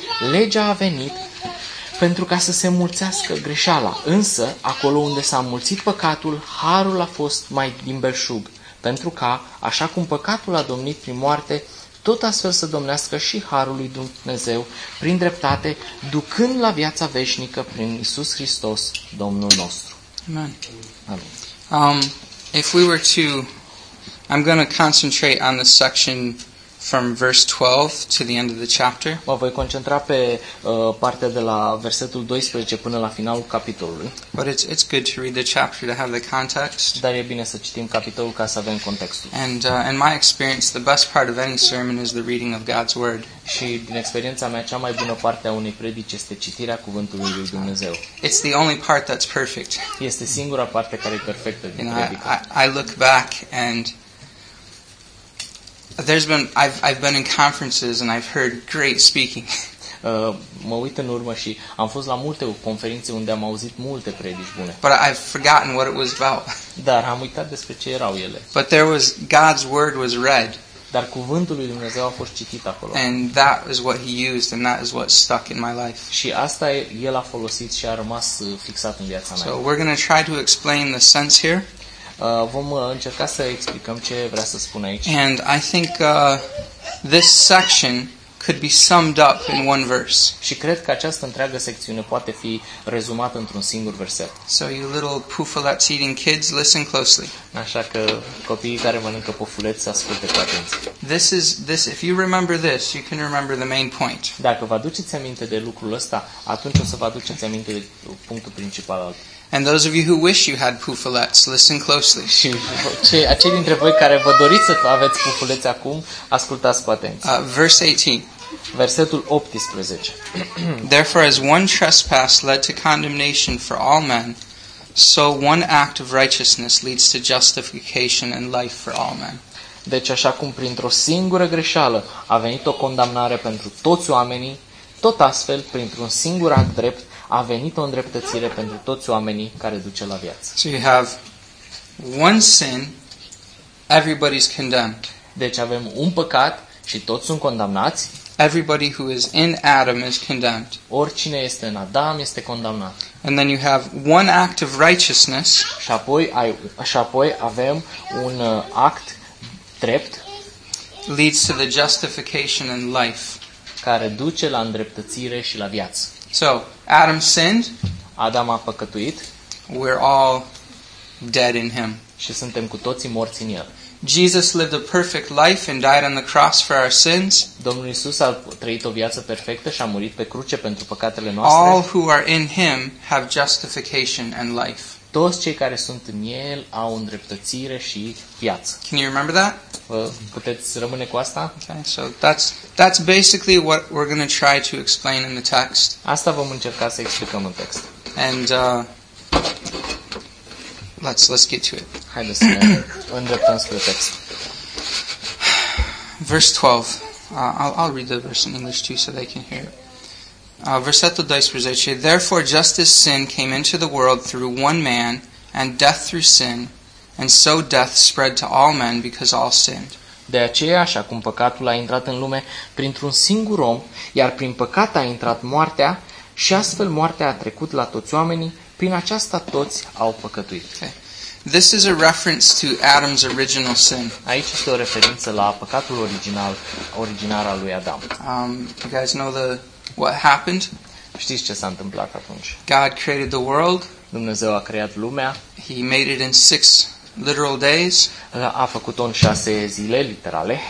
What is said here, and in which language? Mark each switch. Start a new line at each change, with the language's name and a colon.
Romanian: Legea a venit pentru ca să se mulțească greșeala, însă, acolo unde s-a mulțit păcatul, harul a fost mai din belșug, pentru ca, așa cum păcatul a domnit prin moarte, tot astfel să domnească și harul lui Dumnezeu prin dreptate, ducând la viața veșnică prin Iisus Hristos, Domnul nostru. Amen.
English: If we were to, I'm going to concentrate on the section from verse 12 to the end of the chapter.
Romanian: Mă voi concentra pe partea de la versetul 12 până la finalul capitolului.
English: But it's good to read the chapter to have the context.
Romanian: Dar e bine să citim capitolul ca să avem contextul.
English: And in my experience, the best part of any sermon is the reading of God's word.
Romanian: Și din experiența mea, cea mai bună parte a unei predici este citirea cuvântului lui Dumnezeu.
English: It's the only part that's perfect.
Romanian: Este singura parte care e perfectă din predică.
English: I look back and I've been in conferences and I've heard great speaking.
Romanian: mă uit în urmă și am fost la multe conferințe unde am auzit multe predici bune.
English: But I've forgotten what it was about.
Romanian: Dar am uitat despre ce erau ele.
English: But there was God's word was read.
Romanian: Dar cuvântul lui Dumnezeu a fost citit acolo.
English: And that is what he used and that is what stuck in my life.
Romanian: Și asta el a folosit și a rămas fixat în viața mea.
English: So we're going to try to explain the sense here.
Romanian: Vom încerca să explicăm ce vrea să spun aici.
English: And I think this section could be summed up in one verse.
Romanian: Și cred că această întreagă secțiune poate fi rezumată într-un singur verset.
English: So you little pufulets eating kids, listen closely.
Romanian: Așa că copiii care mănâncă pufuleți, ascultă cu atenție.
English: This if you remember this, you can remember the main point.
Romanian: Dacă vă aduceți aminte de lucrul ăsta, atunci o să vă aduceți aminte de punctul principal al.
English: And those of you who wish you had pufulets, listen closely.
Romanian: Acei dintre voi care vă doriți să aveți pufulețe acum, ascultați cu atenție.
English: Verse 18.
Romanian: Versetul 18.
English: Therefore, as one trespass led to condemnation for all men, so one act of righteousness leads to justification and life for all men.
Romanian: Deci, așa cum printr-o singură greșeală a venit o condamnare pentru toți oamenii, tot astfel, printr-un singur act drept, a venit o îndreptățire pentru toți oamenii care duce la viață.
English: So you have one sin, everybody's condemned.
Romanian: Deci avem un păcat și toți sunt condamnați.
English: Everybody who is in Adam is condemned.
Romanian: Oricine este în Adam este condamnat.
English: And then you have one act of righteousness.
Romanian: Și apoi avem un act drept.
English: Leads to the justification and life.
Romanian: Care duce la îndreptățire și la viață.
English: So, Adam sinned.
Romanian: Adam a păcătuit.
English: We're all dead in him.
Romanian: Și suntem cu toții morți în el.
English: Jesus lived a perfect life and died on the cross for our sins.
Romanian: Domnul Iisus a trăit o viață perfectă și a murit pe cruce pentru păcatele noastre.
English: All who are in him have justification and life.
Romanian: Toți cei care sunt în el au îndreptățire și viață.
English: Can you remember that?
Romanian: Puteți rămâne cu asta?
English: Okay, so that's basically what we're going to try to explain in the text.
Romanian: Asta vom încerca să explicăm în text.
English: And let's get to it.
Romanian: Haideți să ne îndreptăm spre text.
English: Verse 12. I'll read the verse in English too so they can hear it.
Romanian: Versetul 12.
English: Therefore, just as sin came into the world through one man, and death through sin, and so death spread to all men because all sinned.
Romanian: De aceea, așa cum păcatul a intrat în lume printr-un singur om, iar prin păcat a intrat moartea, și astfel moartea a trecut la toți oamenii, prin aceasta toți au păcătuit.
English: Okay. This is a reference to Adam's original sin.
Romanian: Aici este o referință la păcatul original al lui Adam.
English: You guys know the what happened?
Romanian: Știți ce s-a întâmplat atunci?
English: God created the world.
Romanian: Dumnezeu a creat lumea.
English: He made it in 6 literal days.
Romanian: A făcut-o în 6 zile literale.